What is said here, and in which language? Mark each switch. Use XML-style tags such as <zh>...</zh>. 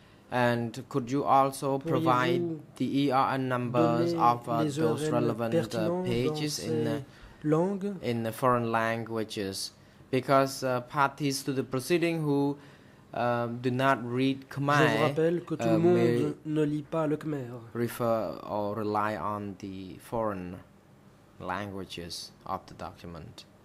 <en>And could you also provide the ERN numbers of those relevant pages in the foreign languages? Because parties to the proceeding who do not read Khmer,</en> <fr>je vous rappelle que tout le monde ne lit pas le Khmer,</fr> <en>refer or rely on the foreign languages of the document.</en>